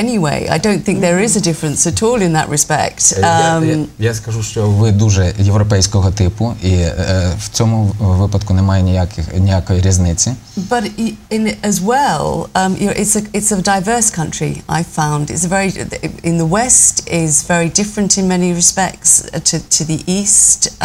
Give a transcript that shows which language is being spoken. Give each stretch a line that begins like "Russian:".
English: Anyway, I don't think there is a difference at all in that respect.
Ukrainian: Я скажу, що ви дуже європейського типу, і в цьому випадку немає ніякої різниці.
English: But in as well, it's a diverse country. I found it's very in the West is very different in many respects to the East.